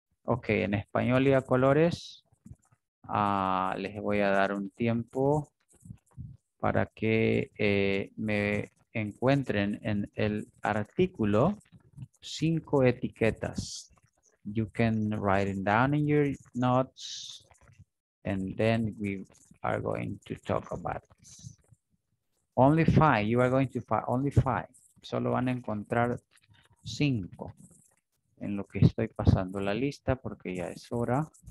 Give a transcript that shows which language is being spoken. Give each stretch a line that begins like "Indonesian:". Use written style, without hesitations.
Spanish: Okay, en español y a colores, les voy a dar un tiempo para que me encuentren en el artículo 5 etiquetas.
English: You can write it down in your notes and then we are going to talk about it. Only five, you are going to find only five.
Spanish: Solo van a encontrar 5. En lo que estoy pasando la lista porque ya es hora.